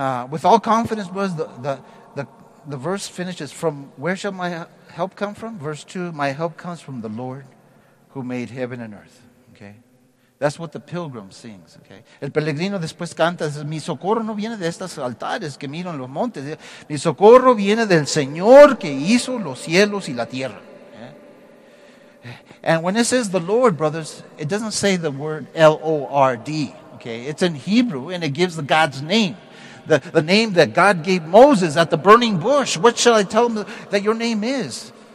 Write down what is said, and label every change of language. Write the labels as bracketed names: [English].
[English] With all confidence, brothers, the verse finishes, from where shall my help come from? Verse 2, my help comes from the Lord who made heaven and earth. Okay? That's what the pilgrim sings. Okay? [Spanish] El peregrino después canta, mi socorro no viene de estos altares que miro en los montes. Mi socorro viene del Señor que hizo los cielos y la tierra. [English] And when it says the Lord, brothers, it doesn't say the word L-O-R-D. Okay? It's in Hebrew and it gives the God's name. the name that God gave Moses at the burning bush. What shall I tell him that your name is?